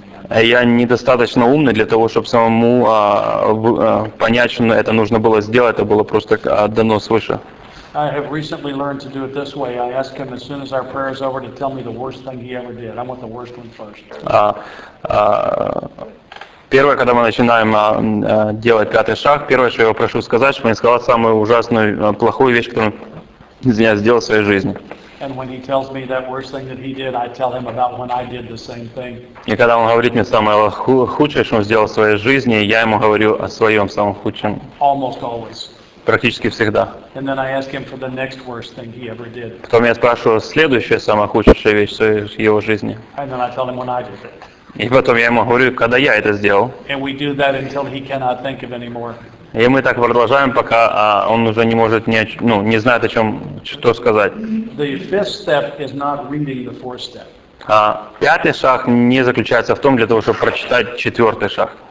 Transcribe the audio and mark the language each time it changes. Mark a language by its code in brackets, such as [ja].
[ru] Я недостаточно умный для того, чтобы самому понять, что это нужно было сделать, это было просто дано свыше. [en] I have recently learned to do it this way. I ask him as soon as our prayer is over to tell me the worst thing he ever did. I want the worst one first. [ru] Первое, когда мы начинаем делать пятый шаг, первое, что я его прошу сказать, чтобы он не сказал самую ужасную, плохую вещь, которую он, извиняюсь, сделал в своей жизни. [en] And when he tells me that worst thing that he did, I tell him about when I did the same thing. [ru] И когда он говорит мне самое худшее, что он сделал в своей жизни, я ему говорю о своем самом худшем. [en] Almost always. [ru] Практически всегда. [en] And then I ask him for the next worst thing he ever did. [ru] Потом я спрашиваю следующая самая худшая вещь в своей, его жизни. [en] And then I tell him when I did it. [ru] И потом я ему говорю, когда я это сделал. [en] And we do that until he cannot think of anymore. [ru] И мы так продолжаем, пока он уже не может, не знает, о чем, что сказать. [en] The fifth step is not reading the fourth step. [ru] Пятый шаг не заключается в том, для того, чтобы прочитать четвертый шаг.